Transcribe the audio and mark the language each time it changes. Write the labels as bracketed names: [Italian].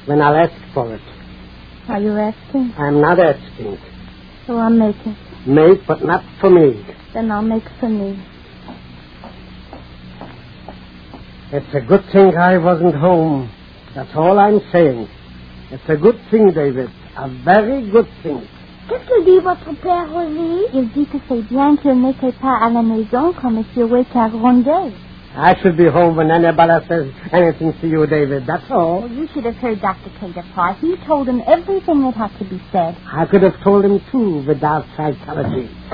[English] When I'll ask for it. Are you asking? I'm not asking. So I'm making. Make, but not for me. Then I'll make for me. It's a good thing I wasn't home. That's all I'm saying. It's a good thing, David. A very good thing. [French] Qu'est-ce que dit votre père, Rosie? Il dit que c'est bien qu'il n'était pas à la maison quand Monsieur Wade a grondé. [English] I should be home when anybody says anything to you, David. That's all. Well, you should have heard Dr. Cater, Pa. He told him everything that had to be said. I could have told him, too, without psychology.